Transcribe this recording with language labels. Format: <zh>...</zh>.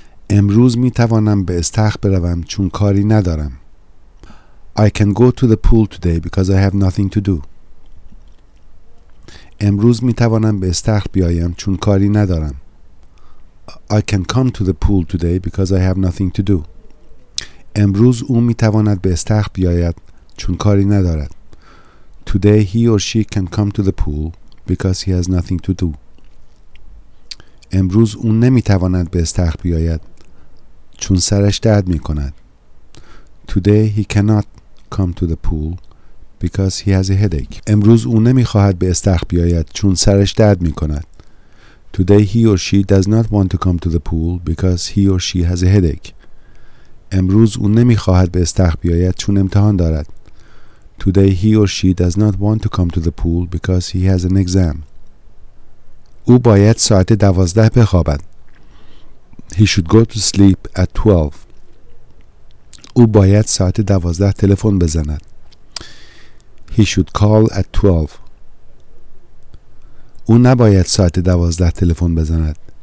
<fa>امروز می توانم به استخر بروم چون کاری ندارم.</fa> <en>I can go to the pool today because I have nothing to do.</en> <fa>امروز می توانم به استخر بیایم چون کاری ندارم.</fa> <en>I can come to the pool today because I have nothing to do.</en> <fa>امروز او می تواند به استخر بیاید چون کاری ندارد.</fa> <en>Today he or she can come to the pool because he has nothing to do.</en> <fa>امروز او نمی تواند به استخر بیاید چون سرش درد می کند.</fa> <en>Today he cannot come to the pool because he has a headache.</en> <fa>امروز او نمی خواهد به استخر بیاید چون سرش درد می کند.</fa> <en>Today he or she does not want to come to the pool because he or she has a headache.</en> <fa>امروز او نمی خواهد به استخر بیاید چون امتحان دارد.</fa> <en>Today he or she does not want to come to the pool because he has an exam.</en> <fa>او باید ساعت 12 بخوابد.</fa> <en>He should go to sleep at 12.</en> <fa>او باید ساعت 12 تلفن بزند.</fa> <en>He should call at 12.</en> <fa>او نباید ساعت 12 تلفن بزند.</fa>